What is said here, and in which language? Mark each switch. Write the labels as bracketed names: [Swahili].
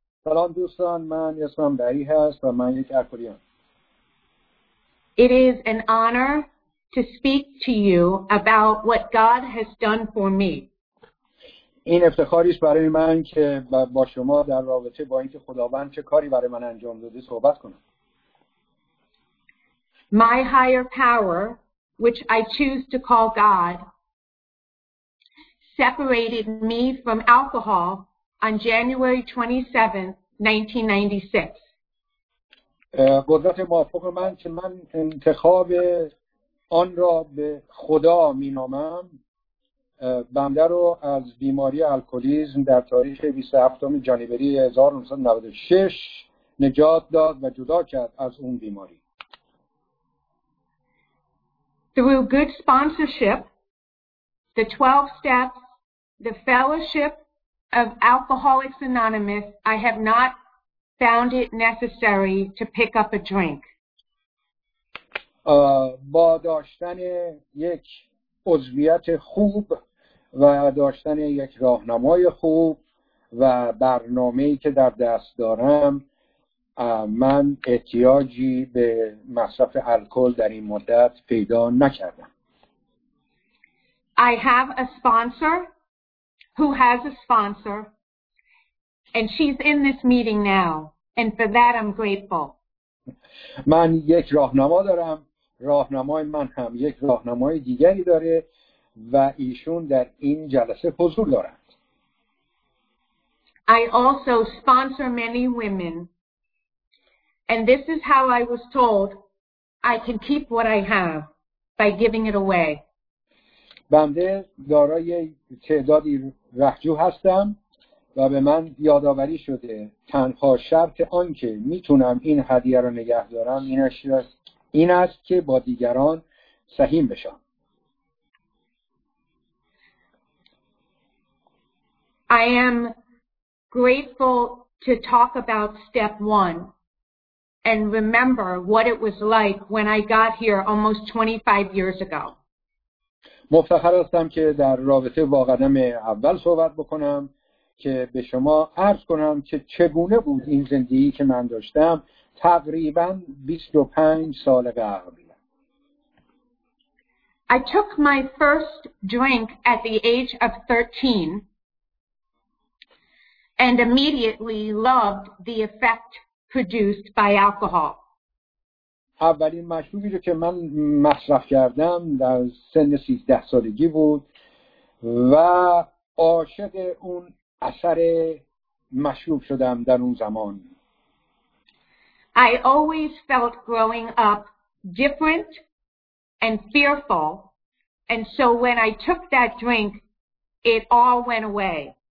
[Persian] سلام دوستان، من اسمم بری هست و من یک الکلیم. [English] It is an honor to speak to you about what God has done for me. [Persian] این افتخاری است برای من که با شما در رابطه با اینکه خداوند چه کاری برای من انجام داده صحبت کنم. [English] My higher power, which I choose to call God, separated me from alcohol on January 27th, 1996. [Persian] قدرت موافق من که من انتخاب آن را به خدا می نامم، بنده رو از بیماری الکلیسم در تاریخ 27 جانوری 1996 نجات داد و جدا کرد از اون بیماری. [English] Through good sponsorship, the 12 steps, the fellowship of Alcoholics Anonymous, I have not found it necessary to pick up a drink. [Persian] با داشتن یک عضویت خوب و داشتن یک راهنمای خوب و برنامه‌ای که در دست دارم، من احتیاجی به مصرف الکل در این مدت پیدا نکردم. [English] I have a sponsor who has a sponsor and she's in this meeting now. And for that I'm grateful. [Persian] من یک راهنما دارم، راهنمای من هم یک راهنمای دیگری داره و ایشون در این جلسه حضور دارند. [English] I also sponsor many women. And this is how I was told I can keep what I have by giving it away. [Persian] بنده دارای تعدادی رهجو هستم و به من یادآوری شده تنها شرط آن که میتونم این هدیه رو نگه دارم این است که با دیگران سهیم بشم. [English] I am grateful to talk about step one and remember what it was like when I got here almost 25 years ago. [Persian] مفتخر هستم که در رابطه با قدم اول صحبت بکنم که به شما عرض کنم که چگونه بود این زندگی که من داشتم تقریبا 25 سال قبل. [English] I took my first drink at the age of 13 and immediately loved the effect produced by alcohol. [Persian] اولین مشروبی رو که من مصرف کردم در سن 13 سالگی بود و عاشق اون اثر مشروب شدم در اون زمان. [English] I always felt growing up different and fearful, and so when I took that drink, it all went away.